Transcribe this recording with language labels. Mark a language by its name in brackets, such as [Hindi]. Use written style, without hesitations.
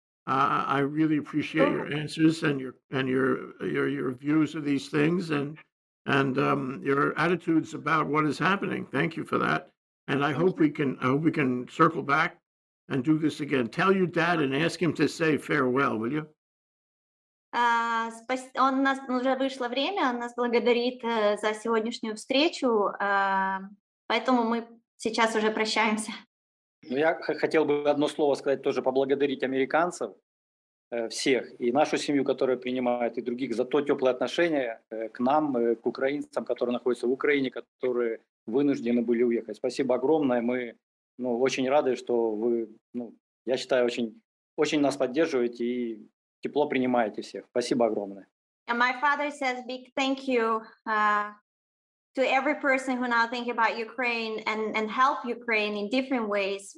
[English] I really appreciate your answers and your views of these things and your attitudes about what is happening. Thank you for that. And I hope we can circle back and do this again. Tell your dad and ask him to say farewell, will you? [Russian] Он у нас уже вышло время. Он нас благодарит за сегодняшнюю встречу. Поэтому мы сейчас уже прощаемся. Ну, я хотел бы одно слово сказать, тоже поблагодарить американцев всех и нашу семью, которая принимает, и других за то теплое отношение к нам, к украинцам, которые находятся в Украине, которые вынуждены были уехать. Спасибо огромное. Мы очень рады, что вы, я считаю, очень нас поддерживаете и тепло принимаете всех. Спасибо огромное. [English] And my father says big thank you to every person who now think about Ukraine and help Ukraine in different ways.